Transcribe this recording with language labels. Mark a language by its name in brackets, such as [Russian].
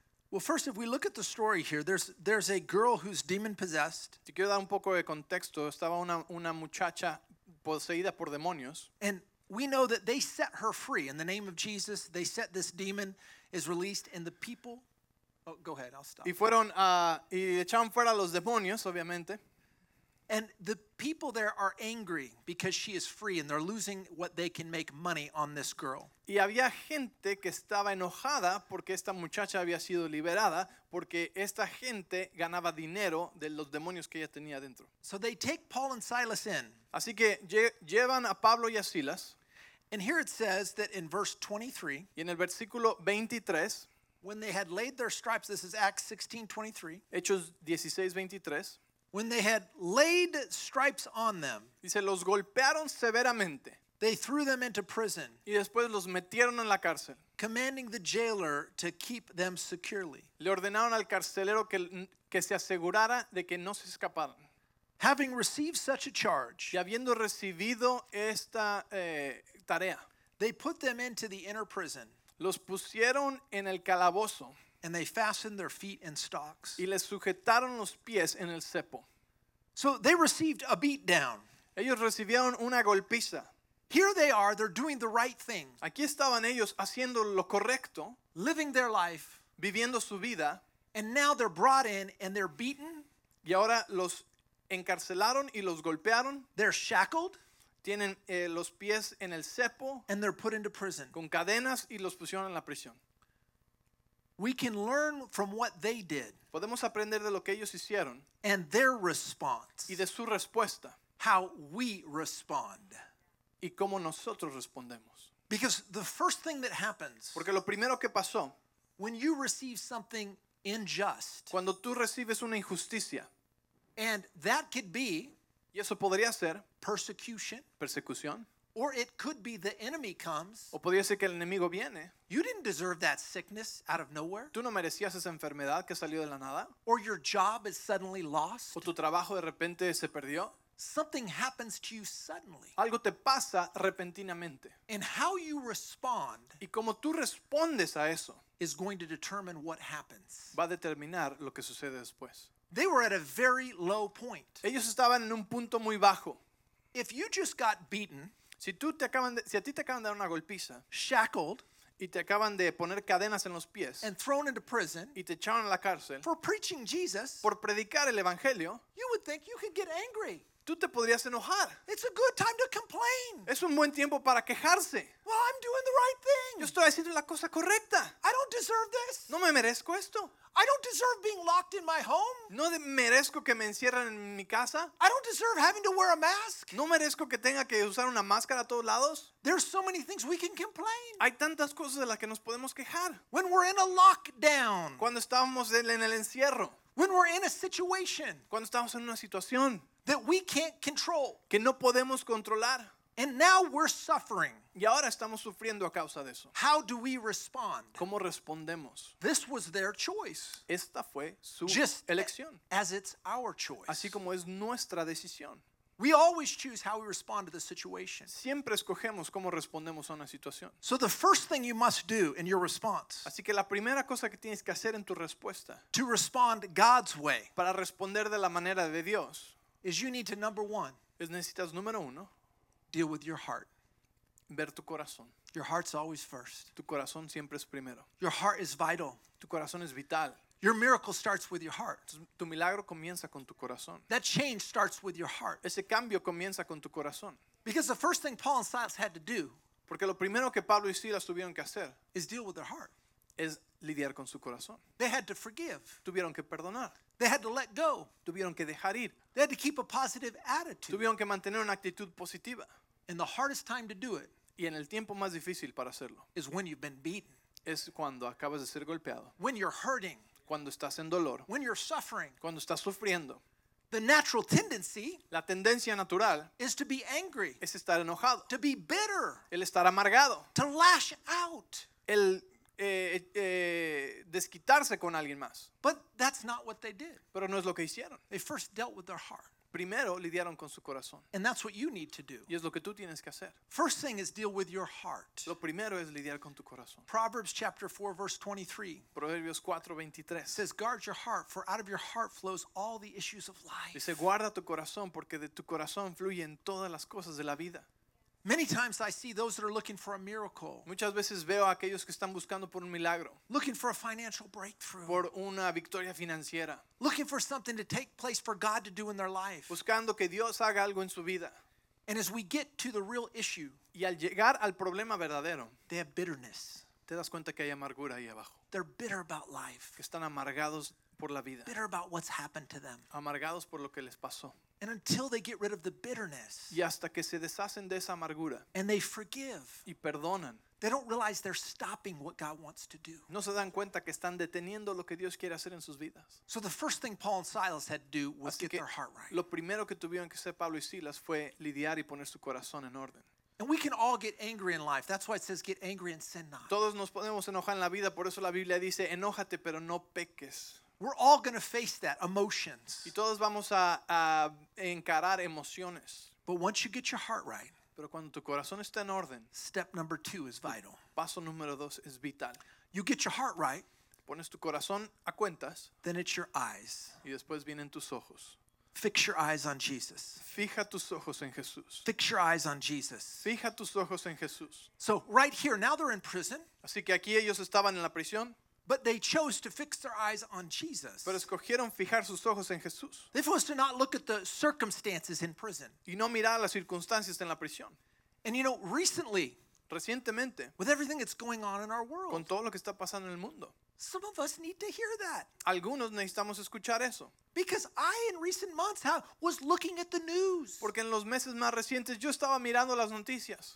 [English] Well, first, if we look at the story here, there's a girl who's demon possessed. [Spanish] Te quiero dar un poco de contexto. Estaba una muchacha poseída por demonios. [English] And we know that they set her free in the name of Jesus. They set this demon is released, and the people. Oh, go ahead. I'll stop. [Spanish] Y fueron y echaron fuera a los demonios, obviamente. [English] And the people there are angry because she is free and they're losing what they can make money on this girl. [Spanish] Y había gente que estaba enojada porque esta muchacha había sido liberada porque esta gente ganaba dinero de los demonios que ella tenía dentro. [English] So they take Paul and Silas in. [Spanish] Así que llevan a Pablo y a Silas. [English] And here it says that in verse 23. [Spanish] Y en el versículo 23. [English] When they had laid their stripes, this is Acts 16:23. [Spanish] Hechos 16:23. [English] When they had laid stripes on them, [Spanish] dice, los golpearon severamente. [English] They threw them into prison, [Spanish] y después los metieron en la cárcel. [English] Commanding the jailer to keep them securely. [Spanish] Le ordenaron al carcelero que se asegurara de que no se escaparan. [English] Having received such a charge, [Spanish] y habiendo recibido esta tarea, [English] they put them into the inner prison, [Spanish] los pusieron en el calabozo. [English] And they fastened their feet in stocks. [Spanish] Y les sujetaron los pies en el cepo. [English] So they received a beat down. [Spanish] Ellos recibieron una golpiza. [English] Here they are, they're doing the right thing. [Spanish] Aquí estaban ellos haciendo lo correcto. [English] Living their life. [Spanish] Viviendo su vida. [English] And now they're brought in and they're beaten. [Spanish] Y ahora los encarcelaron y los golpearon. [English] They're shackled. [Spanish] Tienen los pies en el cepo. [English] And they're put into prison. [Spanish] Con cadenas y los pusieron en la prisión. [English] We can learn from what they did. [Spanish] Podemos aprender de lo que ellos hicieron. [English] And their response. [Spanish] Y de su respuesta. [English] how we respond. [Spanish] Y cómo nosotros respondemos. [English] Because the first thing that happens, [Spanish] porque lo primero que pasó, [English] when you receive something unjust, [Spanish] cuando tú recibes una injusticia, [English] and that could be, [Spanish] y eso podría ser, [English] persecution, [Spanish] persecución, [English] or it could be the enemy comes, [Spanish] o podría ser que el enemigo viene, [English] you didn't deserve that sickness out of nowhere, [Spanish] tú no merecías esa enfermedad que salió de la nada, [English] or your job is suddenly lost, [Spanish] o tu trabajo de repente se perdió. [English] Something happens to you suddenly. [Spanish] Algo te pasa repentinamente. [English] And how you respond, [Spanish] y cómo tú respondes a eso, [English] is going to determine what happens. [Spanish] Va a determinar lo que sucede después. [English] They were at a very low point. [Spanish] Ellos estaban en un punto muy bajo. [English] If you just got beaten, [Spanish] si a ti te acaban de dar una golpiza, [English] shackled, [Spanish] y te acaban de poner cadenas en los pies, [English] and thrown into prison, [Spanish] y te echaron a la cárcel, [English] for preaching Jesus, [Spanish] por predicar el evangelio, [English] you would think you could get angry. [Spanish] Tú te podrías enojar. [English] It's a good time to complain. [Spanish] Es un buen tiempo para quejarse. [English] Well, I'm doing the right thing. [Spanish] Yo estoy haciendo la cosa correcta. [English] I don't deserve this. [Spanish] No me merezco esto. [English] I don't deserve being locked in my home. [Spanish] No merezco que me encierren en mi casa. [English] I don't deserve having to wear a mask. [Spanish] No merezco que tenga que usar una máscara a todos lados. [English] There's so many things we can complain. [Spanish] Hay tantas cosas de las que nos podemos quejar. [English] When we're in a lockdown. [Spanish] Cuando estábamos en el encierro. [English] When we're in a situation. [Spanish] Cuando estábamos en una situación. [English] That we can't control. [Spanish] Que no podemos controlar. [English] And now we're suffering. [Spanish] Y ahora estamos sufriendo a causa de eso. [English] How do we respond? [Spanish] ¿Cómo respondemos? [English] This was their choice. [Spanish] Esta fue su [English] just [Spanish] elección. [English] As it's our choice. [Spanish] Así como es nuestra decisión. [English] We always choose how we respond to the situation. [Spanish] Siempre escogemos cómo respondemos a una situación. [English] So the first thing you must do in your response. [Spanish] Así que la primera cosa que tienes que hacer en tu respuesta. [English] To respond God's way. [Spanish] Para responder de la manera de Dios. [English] Is you need to number one. [Spanish] Es necesitas número uno. [English] Deal with your heart. [Spanish] Ver tu corazón. [English] Your heart's always first. [Spanish] Tu corazón siempre es primero. [English] Your heart is vital. [Spanish] Tu corazón es vital. [English] Your miracle starts with your heart. [Spanish] Tu milagro comienza con tu corazón. [English] That change starts with your heart. [Spanish] Ese cambio comienza con tu corazón. [English] Because the first thing Paul and Silas had to do. [Spanish] Porque lo primero que Pablo y Silas tuvieron que hacer. [English] Is deal with their heart. [Spanish] Es lidiar con su corazón. [English] They had to forgive. [Spanish] Tuvieron que perdonar. [English] They had to let go. [Spanish] Tuvieron que dejar ir. [English] They had to keep a positive attitude. [Spanish] Tuvieron que mantener una actitud positiva. [English] And the hardest time to do it. [Spanish] Y en el tiempo más difícil para hacerlo. [English] Is when you've been beaten. [Spanish] Es cuando acabas de ser golpeado. [English] When you're hurting. [Spanish] Cuando estás en dolor. [English] When you're suffering. [Spanish] Cuando estás sufriendo. [English] The natural tendency. [Spanish] La tendencia natural. [English] Is to be angry. [Spanish] Es estar enojado. [English] To be bitter. [Spanish] El estar amargado. [English] To lash out. [Spanish] El desquitarse con alguien más. [English] But that's not what they did. [Spanish] Pero no es lo que hicieron. [English] They first dealt with their heart. [Spanish] Primero lidiaron con su corazón. [English] And that's what you need to do. [Spanish] Y es lo que tú tienes que hacer. [English] First thing is deal with your heart. [Spanish] Lo primero es lidiar con tu corazón. [English] Proverbs chapter 4 verse 23. [Spanish] Proverbios 4:23. [English] Says guard your heart for out of your heart flows all the issues of life. [Spanish] Dice guarda tu corazón porque de tu corazón fluyen todas las cosas de la vida. [English] Many times I see those that are looking for a miracle. [Spanish] Muchas veces veo a aquellos que están buscando por un milagro. [English] Looking for a financial breakthrough. [Spanish] Por una victoria financiera. [English] Looking for something to take place for God to do in their life. [Spanish] Buscando que Dios haga algo en su vida. [English] And as we get to the real issue, [Spanish] y al llegar al problema verdadero, [English] they have bitterness. [Spanish] Te das cuenta que hay amargura ahí abajo. [English] They're bitter about life. [Spanish] Que están amargados por la vida. [English] Bitter about what's happened to them. [Spanish] Amargados por lo que les pasó. [English] And until they get rid of the bitterness, [Spanish] y hasta que se deshacen de esa amargura, [English] and they forgive, [Spanish] y perdonan, [English] they don't realize they're stopping what God wants to do. [Spanish] No se dan cuenta que están deteniendo lo que Dios quiere hacer en sus vidas. [English] So the first thing Paul and Silas had to do was get their heart right. [Spanish] Lo primero que tuvieron que hacer Pablo y Silas fue lidiar y poner su corazón en orden. [English] And we can all get angry in life. That's why it says get angry and sin not. [Spanish] Todos nos podemos enojar en la vida, por eso la Biblia dice, enójate pero no peques. [English] We're all going to face that, emotions. [Spanish] Y todos vamos a encarar emociones. [English] But once you get your heart right, [Spanish] pero cuando tu corazón está en orden, [English] step number two is vital. [Spanish] Paso número dos es vital. [English] You get your heart right, [Spanish] pones tu corazón a cuentas, [English] then it's your eyes. [Spanish] Y después vienen tus ojos. [English] Fix your eyes on Jesus. [Spanish] Fija tus ojos en Jesús. [English] Fix your eyes on Jesus. [Spanish] Fija tus ojos en Jesús. [English] So right here, now they're in prison. [Spanish] Así que aquí ellos estaban en la prisión. [English] But they chose to fix their eyes on Jesus. [Spanish] Pero escogieron fijar sus ojos en Jesús. [English] They chose to not look at the circumstances in prison. [Spanish] Y no mirar las circunstancias en la prisión. [English] And you know, recently, [Spanish] recientemente, [English] with everything that's going on in our world, [Spanish] con todo lo que está pasando en el mundo, [English] Some of us need to hear that. [Spanish] Algunos necesitamos escuchar eso. [English] Because I, in recent months, was looking at the news. [Spanish] Porque en los meses más recientes yo estaba mirando las noticias.